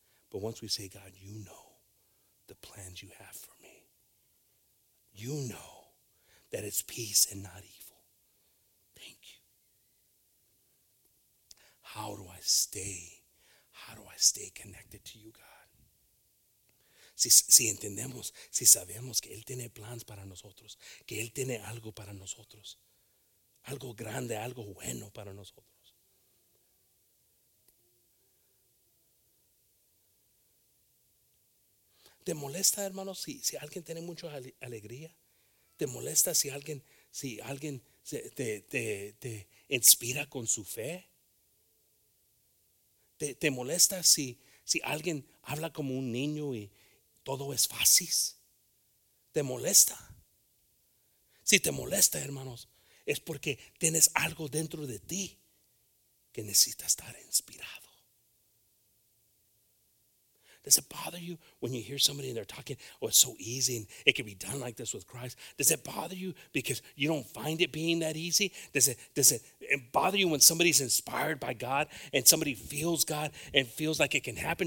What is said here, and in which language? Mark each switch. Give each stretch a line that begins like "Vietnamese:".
English: But once we say, God, you know the plans you have for me. You know that it's peace and not evil. Thank you. How do I stay? How do I stay connected to you, God?
Spanish: Si entendemos, si sabemos que Él tiene planes para nosotros, que Él tiene algo para nosotros, algo grande, algo bueno para nosotros. ¿Te molesta, hermano, si alguien tiene mucha alegría? ¿Te molesta si alguien te inspira con su fe? ¿Te molesta si alguien habla como un niño y todo es fácil? ¿Te molesta? Si te molesta, hermanos, es porque tienes algo dentro de ti que necesita estar inspirado.
English: Does it bother you when you hear somebody and they're talking, oh, it's so easy and it can be done like this with Christ? Does it bother you because you don't find it being that easy? Does it bother you when somebody's inspired by God and somebody feels God and feels like it can happen?